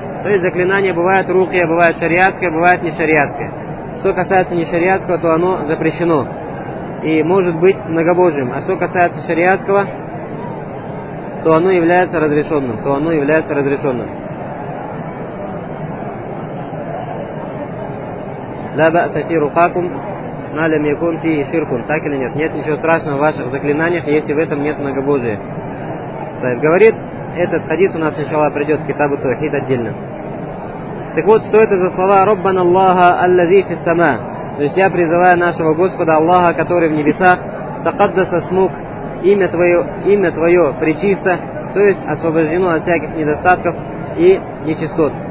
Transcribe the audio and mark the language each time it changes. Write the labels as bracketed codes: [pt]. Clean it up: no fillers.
[ru] То есть заклинание бывает рукья, бывает шариатское, бывает нешариатское. Что касается нешариатского, то оно запрещено и может быть многобожьим. А что касается шариатского, то оно является разрешенным. То оно является разрешенным. [ar] لا بأس في رقاكم ما لم يكن في شركم. [ru] Так или нет? Нет ничего страшного в ваших заклинаниях, если в этом нет многобожия. Так, говорит, этот хадис у нас сначала придет в Китабу Тавхид отдельно. Так вот, что это за слова [ar] «Роббана Аллаха аллази фи сама»? [ru] То есть я призываю нашего Господа Аллаха, который в небесах, [ar] «Такаддаса смук», [ru] имя твое пречисто, то есть освобождено от всяких недостатков и нечистот.